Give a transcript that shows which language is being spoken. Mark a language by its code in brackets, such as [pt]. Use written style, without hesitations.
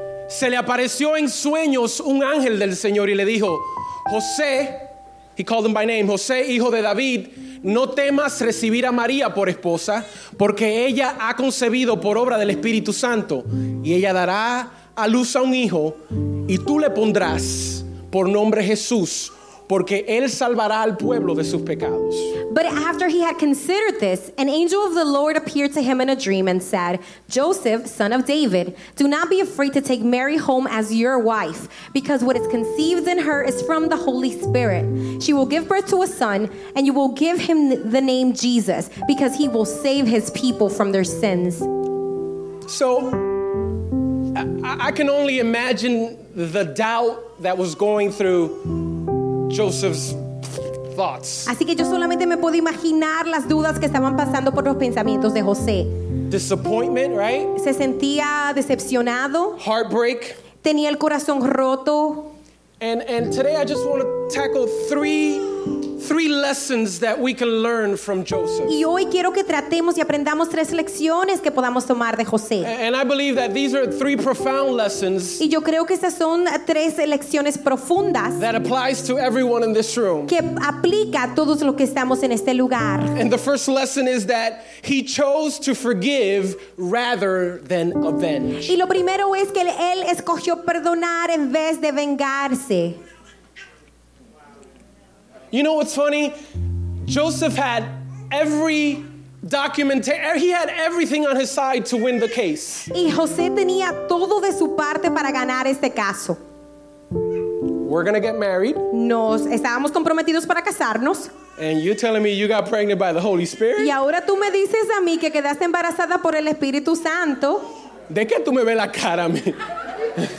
[es] Se le apareció en sueños un ángel del Señor y le dijo, José, [en] he called him by name, [es] José, hijo de David, no temas recibir a María por esposa, porque ella ha concebido por obra del Espíritu Santo, y ella dará a luz a un hijo, y tú le pondrás por nombre Jesús, porque él salvará al pueblo de sus pecados. [en] But after he had considered this, an angel of the Lord appeared to him in a dream and said, Joseph, son of David, do not be afraid to take Mary home as your wife, because what is conceived in her is from the Holy Spirit. She will give birth to a son, and you will give him the name Jesus, because he will save his people from their sins. So, I can only imagine the doubt that was going through Joseph's thoughts. [es] Así que yo solamente me puedo imaginar las dudas que estaban pasando por los pensamientos de José. [en] Disappointment, right? [es] Se sentía decepcionado. [en] Heartbreak. [es] Tenía el corazón roto. [en] And today I just want to tackle three lessons that we can learn from Joseph. [es] Y hoy quiero que tratemos y aprendamos tres lecciones que podamos tomar de José. [en] And I believe that these are three profound lessons. [es] Y yo creo que estas son tres lecciones profundas. [en] That applies to everyone in this room. [es] Que aplica a todos los que estamos en este lugar. [en] And the first lesson is that he chose to forgive rather than avenge. [es] Y lo primero es que él escogió perdonar en vez de vengarse. [en] You know what's funny? Joseph had every documentation. He had everything on his side to win the case. [es] Y José tenía todo de su parte para ganar este caso. [en] We're gonna get married. [es] Nos estábamos comprometidos para casarnos. [en] And you're telling me you got pregnant by the Holy Spirit? [es] Y ahora tú me dices a mí que quedaste embarazada por el Espíritu Santo. ¿De qué tú me ves la cara a mí?